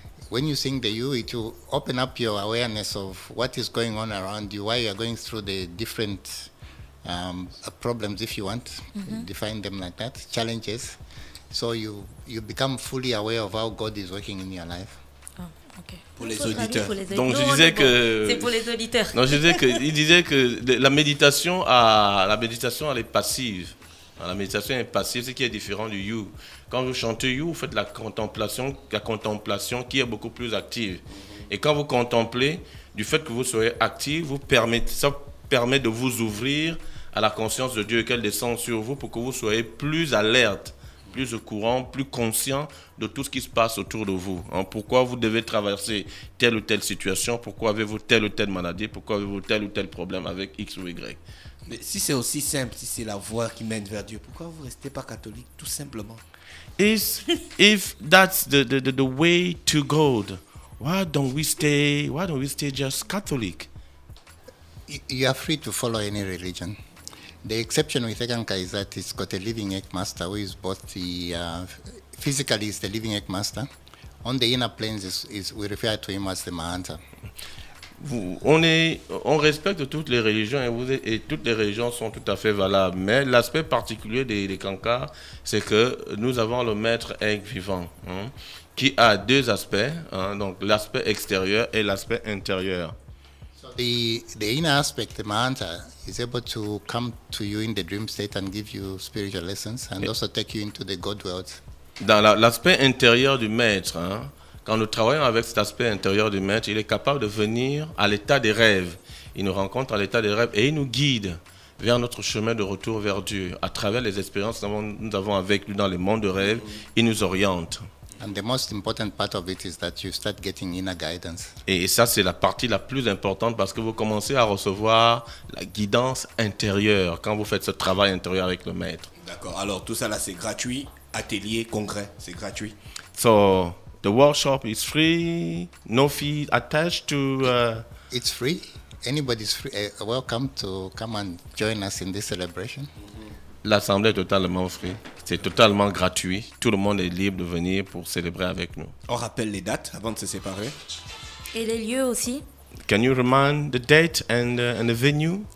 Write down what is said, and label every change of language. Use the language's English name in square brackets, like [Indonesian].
[English] when you sing the you, it will open up your awareness of what is going on around you, why you are going through the different problems, if you want, define them like that, challenges. So you become fully aware of how God is working in your life. [French] Pour les auditeurs. Donc je disais que c'est pour les auditeurs. Non, je disais que il disait que la méditation elle est passive. La méditation est passive, ce qui est différent du you. Quand vous chantez you, vous faites la contemplation qui est beaucoup plus active. Et quand vous contemplez, du fait que vous soyez actif, ça permet de vous ouvrir à la conscience de Dieu qu'elle descend sur vous pour que vous soyez plus alerte, plus au courant, plus conscient de tout ce qui se passe autour de vous. Pourquoi vous devez traverser telle ou telle situation? Pourquoi avez-vous telle ou telle maladie? Pourquoi avez-vous tel ou tel problème avec X ou Y? Mais si c'est aussi simple, si c'est la voie qui mène vers Dieu, pourquoi vous ne restez pas catholique tout simplement? [English] If that's the way to God, why don't we stay just Catholic? You are free to follow any religion. The exception with Ekanka is that it's got a living egg master who is both the physically is the living egg master. On the inner planes is we refer to him as the Mahanta. [French] On respecte toutes les religions et toutes les religions sont tout à fait valables. Mais l'aspect particulier des Kanka, c'est que nous avons le maître egg vivant qui a deux aspects, donc l'aspect extérieur et l'aspect intérieur. [English] The inner aspect, the Mahanta, is able to come to you in the dream state and give you spiritual lessons and also take you into the God world. [French] Dans l'aspect intérieur du maître, quand nous travaillons avec cet aspect intérieur du maître, il est capable de venir à l'état des rêves. Il nous rencontre à l'état des rêves et il nous guide vers notre chemin de retour vers Dieu. À travers les expériences que nous avons avec lui dans les mondes de rêves, il nous oriente. [English] And the most important part of it is that you start getting inner guidance. [French] Et ça, c'est la partie la plus importante parce que vous commencez à recevoir la guidance intérieure quand vous faites ce travail intérieur avec le maître. D'accord. Alors, tout ça là, c'est gratuit. Atelier, congrès, c'est gratuit. [English] So, the workshop is free. No fee attached to... It's free. Anybody's free. Welcome to come and join us in this celebration. [French] L'assemblée est totalement free. C'est totalement gratuit. Tout le monde est libre de venir pour célébrer avec nous. On rappelle les dates avant de se séparer. Et les lieux aussi. [English] Can you remind the date and the venue?